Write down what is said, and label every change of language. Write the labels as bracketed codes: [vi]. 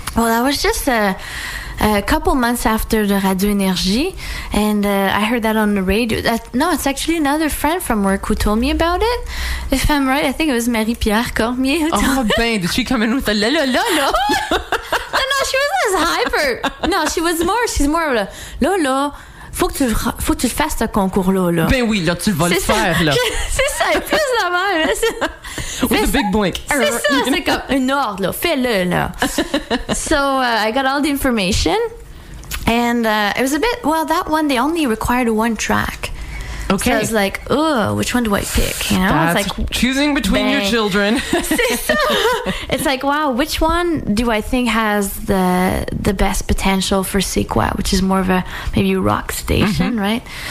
[en] Well, that was just a couple months after the Radio Énergie, and I heard that on the radio. It's actually another friend from work who told me about it. If I'm right, I think it was Marie-Pierre Cormier who told me. Oh, ben, did she come in with a la la la la? No, she wasn't as hyper. No, she was more, she's more of a la la. [fr] Faut que tu fasses ton concours là. Ben oui, là, tu vas le faire, ça. Là. C'est ça, et plus la main. Là, [en] with a big blink. [fr] C'est ça, c'est comme un ordre, là. Fais-le, là. [en] So, I got all the information. And it was a bit, well, that one, they only required one track. Okay. So I was like, oh, which one do I pick? You know, that's, it's like choosing between your children. It's like, wow, which one do I think has the best potential for Sequoia, which is more of a maybe rock station, mm-hmm. right?